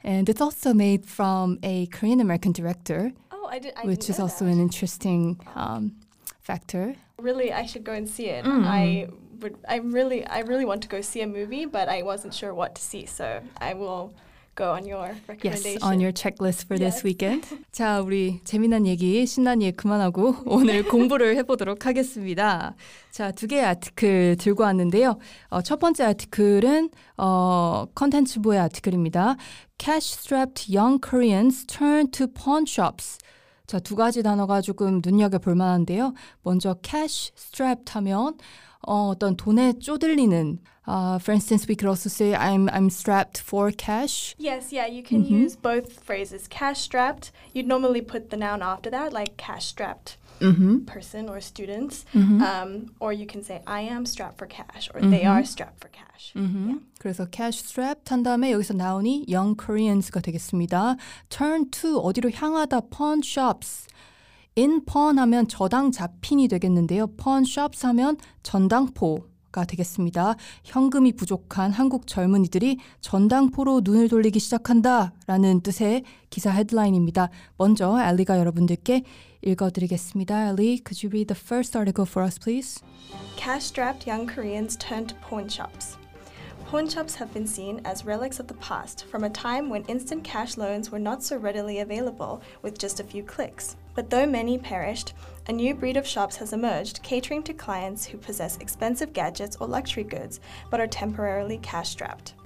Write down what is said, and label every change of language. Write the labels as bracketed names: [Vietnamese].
[English] And it's also made from a Korean American director. Oh, I didn't. Which is also an interesting factor. Really, I should go and see it. Mm. I really want to go see a movie, but I wasn't sure what to see, so I will. Go on your recommendation. Yes, on your checklist for this weekend. [Korean] 자, 우리 재미난 얘기, 신난 얘기 그만하고 오늘 공부를 해보도록 하겠습니다. 자, 두 개의 아티클 들고 왔는데요. 첫 번째 아티클은 콘텐츠부의 아티클입니다. [English] Cash-strapped young Koreans turn to pawn shops. [Korean] 자, 두 가지 단어가 조금 눈여겨볼 만한데요. [English] 먼저 cash-strapped [Korean] 하면 어떤 돈에 쪼들리는 [English] for instance, we could also say I'm strapped for cash. Yes, yeah, you can mm-hmm. use both phrases. Cash strapped, you'd normally put the noun after that, like cash strapped mm-hmm. person or students. Mm-hmm. Or you can say I am strapped for cash or mm-hmm. they are strapped for cash. [Korean] Mm-hmm. Yeah. 그래서 cash strapped 한 다음에 여기서 나오니 young Koreans가 되겠습니다. Turn to, 어디로 향하다, pawn shops. In pawn 하면 저당 잡힌이 되겠는데요. Pawn shops 하면 전당포. 되겠습니다. 현금이 부족한 한국 젊은이들이 전당포로 눈을 돌리기 시작한다라는 뜻의 기사 헤드라인입니다. 먼저 엘리가 여러분들께 읽어드리겠습니다. [English] 엘리, could you read the first article for us, please? Cash-strapped young Koreans turn to pawn shops. Pawn shops have been seen as relics of the past, from a time when instant cash loans were not so readily available with just a few clicks. But though many perished, a new breed of shops has emerged, catering to clients who possess expensive gadgets or luxury goods, but are temporarily cash-strapped.